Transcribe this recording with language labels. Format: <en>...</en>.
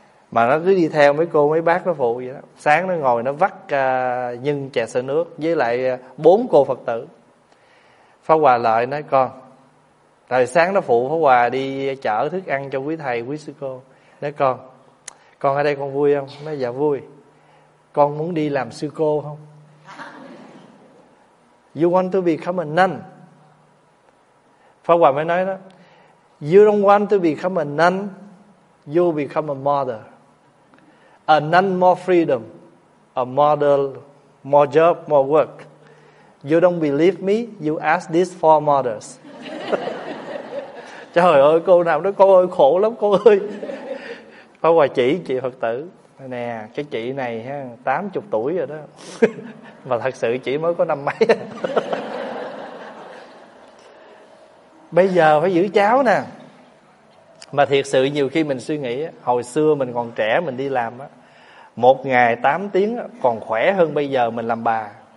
<vi>Mà nó cứ đi theo mấy cô mấy bác nó phụ vậy đó. Sáng nó ngồi nó vắt nhân chè sữa nước với lại bốn cô Phật tử. Pháp Hòa lại nói: con, tại sáng nó phụ Pháp Hòa đi chở thức ăn cho quý thầy quý sư cô. Nói: con ở đây con vui không? Nói: dạ vui. Con muốn đi làm sư cô không?</vi> <en>You want to become a nun?</en> <vi>Pháp Hòa mới nói đó:</vi> <en>you don't want to become a nun, you become a mother. A nun more freedom, a mother more job, more work. You don't believe me, you ask these four mothers.</en> <vi>Trời ơi, cô nào nói: cô ơi khổ lắm cô ơi. Pháp Hòa chỉ chị Phật tử: nè, cái chị này ha, 80 tuổi rồi đó. Mà thật sự chị mới có năm mấy. Bây giờ phải giữ cháu nè. Mà thiệt sự nhiều khi mình suy nghĩ, hồi xưa mình còn trẻ mình đi làm, một ngày 8 tiếng còn khỏe hơn bây giờ mình làm bà.</vi>